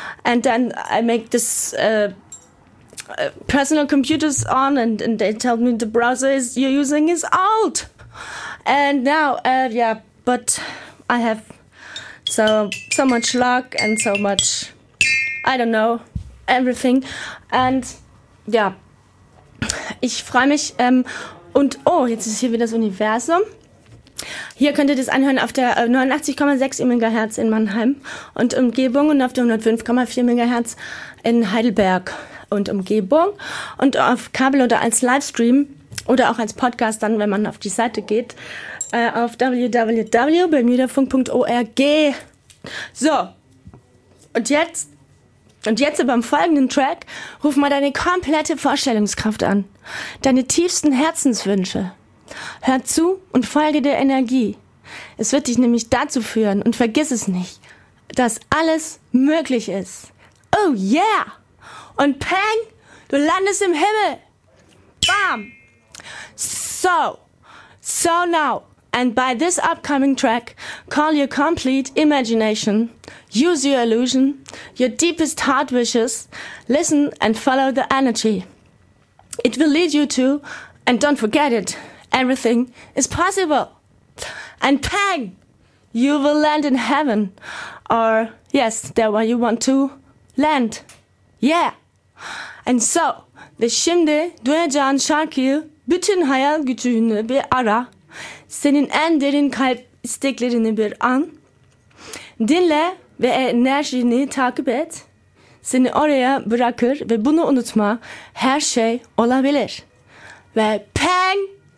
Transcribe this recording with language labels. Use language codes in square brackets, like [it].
[en] And then I make this personal computers on and they tell me the browser is you're using is old. And now, yeah, but I have so much luck and so much, I don't know, everything. And yeah. [de] Ich freue mich und oh, jetzt ist hier wieder das Universum. Hier könnt ihr das anhören auf der 89,6 MHz in Mannheim und Umgebung und auf der 105,4 MHz in Heidelberg und Umgebung und auf Kabel oder als Livestream oder auch als Podcast dann, wenn man auf die Seite geht, auf www.bermudafunk.org. So, und jetzt beim folgenden Track, ruf mal deine komplette Vorstellungskraft an. Deine tiefsten Herzenswünsche. Hör zu und folge der Energie. Es wird dich nämlich dazu führen und vergiss es nicht, dass alles möglich ist. [en] Oh yeah! [de] Und peng, du landest im Himmel. [en] Bam! So now. And by this upcoming track, call your complete imagination, use your illusion, your deepest heart wishes, listen and follow the energy. It will lead you to, and don't forget it, everything is possible. And bang, you will land in heaven, or yes, there where you want to land. Yeah. And so, the [tr] şimdi duyacağın şarkıyı bütün hayal gücünü bir ara. Senin en derin kalp isteklerini bir an. Dinle ve enerjini takip et. Seni oraya bırakır ve bunu unutma. Her şey olabilir. Ve peng!